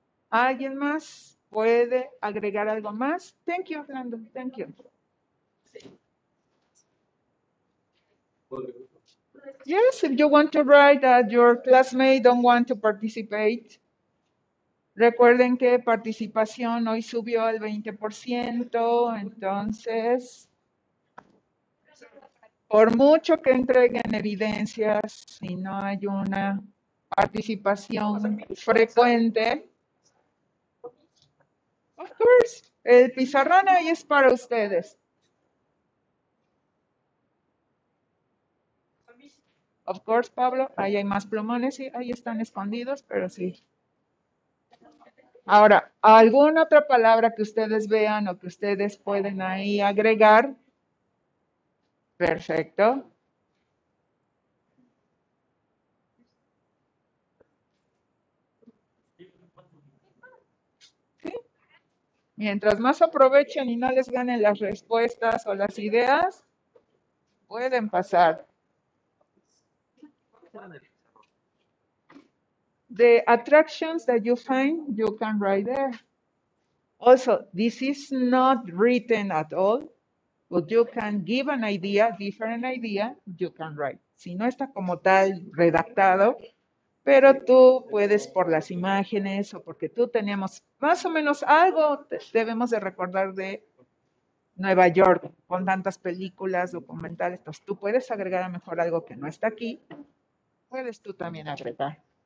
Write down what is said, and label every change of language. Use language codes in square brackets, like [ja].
[es] ¿Alguien más puede agregar algo más? [en] Thank you, Orlando. Thank you. Yes, if you want to write that your classmate don't want to participate. [es] Recuerden que participación hoy subió al 20%, entonces, por mucho que entreguen evidencias, si no hay una participación frecuente, of course, el pizarrón ahí es para ustedes. Of course, Pablo, ahí hay más plumones, y ahí están escondidos, pero sí. Ahora, ¿alguna otra palabra que ustedes vean o que ustedes pueden ahí agregar? Perfecto. ¿Sí? Mientras más aprovechen y no les ganen las respuestas o las ideas, pueden pasar. [en] the attractions that you find, you can write there. Also, this is not written at all, but you can give an idea, different idea, you can write. [es] Si no está como tal redactado, pero tú puedes por las imágenes o porque tú teníamos más o menos algo, debemos de recordar de Nueva York, con tantas películas, documentales, entonces tú puedes agregar a mejor algo que no está aquí, puedes tú también agregar.